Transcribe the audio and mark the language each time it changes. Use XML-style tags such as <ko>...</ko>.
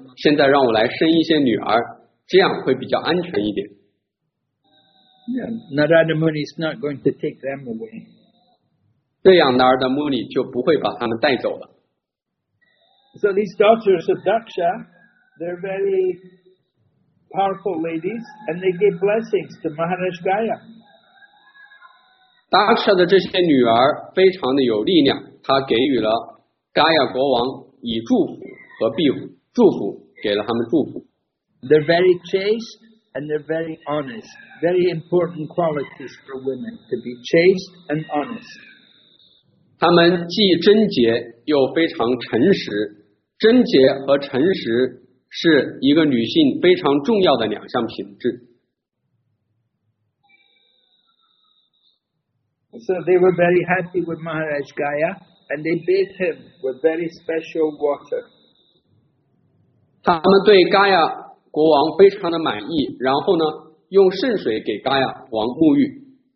<zh>现在让我来生一些女儿，这样会比较安全一点。</zh> <en>Yeah, Narada Muni is not going to take them away.</en> <zh>这样 Narada Muni 就不会把他们带走了。</zh> <en>So these daughters of Daksha, they're very powerful ladies, and they gave blessings to Maharaj Gaya.</en> <zh>Daksha 的这些女儿非常的有力量，她给予了 Gaya 国王以祝福和庇护祝福给了他们祝福。</zh> <en>They're very chaste and they're very honest. Very important qualities for women to be chaste and honest.</en> <zh>他们既贞洁又非常诚实。贞洁和诚实是一个女性非常重要的两项品质。</zh> <en>So they were very happy with Maharaj Gaya, and they bathed him with very special water.</en> <zh>他们对 Gaya 国王非常的满意，然后呢，用圣水给 Gaya 王沐浴。</zh>